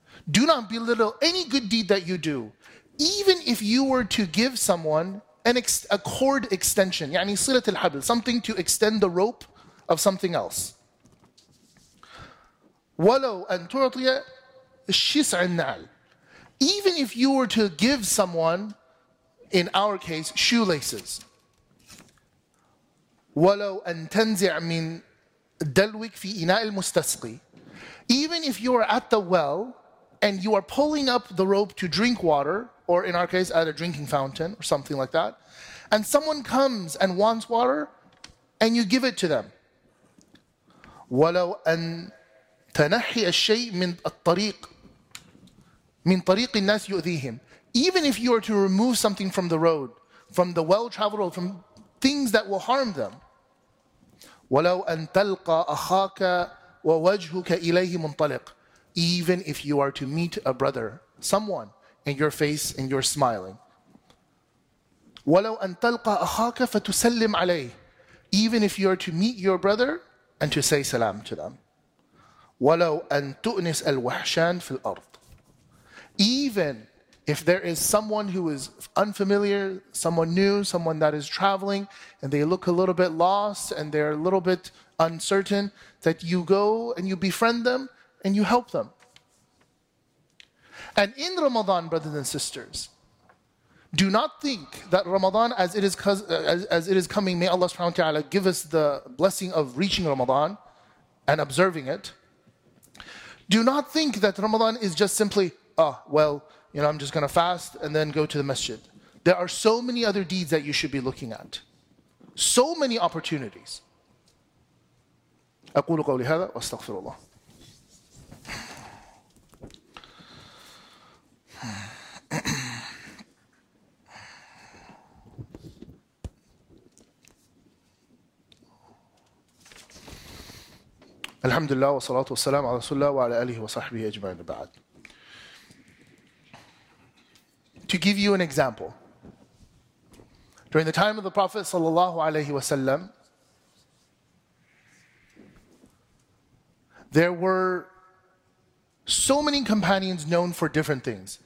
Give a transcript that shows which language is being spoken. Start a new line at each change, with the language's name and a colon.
English: Do not belittle any good deed that you do. Even if you were to give someone a cord extension,
Arabic: يعني صلة الحبل,
English: something to extend the rope of something else.
Arabic: ولو أن تعطي الشسع النعل.
English: Even if you were to give someone, in our case, shoelaces.
Arabic: ولو أن تنزع من دلوك في إناء المستسقي.
English: Even if you are at the well and you are pulling up the rope to drink water, or in our case, at a drinking fountain or something like that, and someone comes and wants water and you give it to them.
Arabic: ولو أن تنحي الشيء من الطريق من طريق الناس يؤذيهم.
English: Even if you are to remove something from the road, from the well-traveled road, from things that will harm them.
Arabic: ولو أن تلقى أخاك ووجهك إليه منطلق.
English: Even if you are to meet a brother, someone, and your face and you're smiling.
Arabic: ولو أن تلقى أخاك فتسلم عليه.
English: Even if you are to meet your brother and to say salam to them.
Arabic: ولو أن تؤنس الوحشان في الأرض.
English: Even if there is someone who is unfamiliar, someone new, someone that is traveling, and they look a little bit lost and they're a little bit uncertain, that you go and you befriend them and you help them. And in Ramadan, brothers and sisters, do not think that Ramadan, as it is coming, may Allah subhanahu wa ta'ala give us the blessing of reaching Ramadan and observing it. Do not think that Ramadan is just simply, I'm just going to fast and then go to the masjid. There are so many other deeds that you should be looking at. So many opportunities.
Arabic: أقول قولي هذا وأستغفر الله. الحمد لله والصلاة والسلام على رسول الله وعلى آله وصحبه أجمعين بعد.
English: To give you an example, during the time of the Prophet sallallahu alaihi wasallam, there were so many companions known for different things.